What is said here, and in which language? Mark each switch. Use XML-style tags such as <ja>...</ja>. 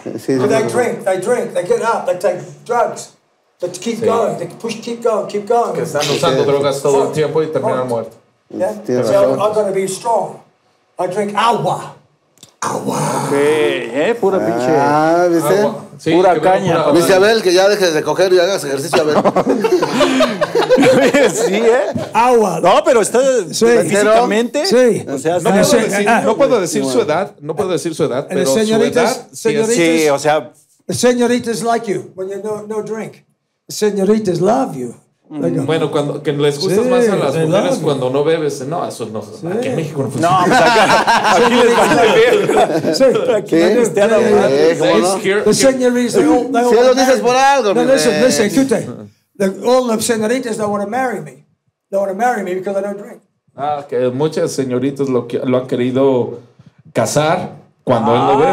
<en>They drink, they get up, they take drugs. They keep going.</en> <es>Que están usando drogas todo el tiempo y terminan muerto.</es> <en>Yeah? So I've got to be strong. I drink agua.</en> <es>Pura pinche. ¿Viste? Sí, pura caña. Dice Abel que ya dejes de coger y hagas ejercicio, Abel. Sí, ¿eh? Agua. No, pero está físicamente. Sí. O sea, no puedo decir su edad. No puedo decir su edad, pero señoritas, su edad. Señoritas, sí, o sea.</es> <en>Señoritas like you when you no drink. Señoritas love you.</en> <es>Bueno, cuando que les gustas más a las mujeres cuando no bebes. No, eso no. Sí. Aquí en México no funciona. No, aquí les va a ir bien. Sí. Aquí no les da la madre.</es> <en>The señoritas.</en> <es>Si lo dices por algo.</es> <en>No, listen, escute. All the señoritas don't want to marry me. They want to marry me because I don't drink.</en> <es>Ah, que muchas señoritas lo han querido casar cuando él no bebe.</es>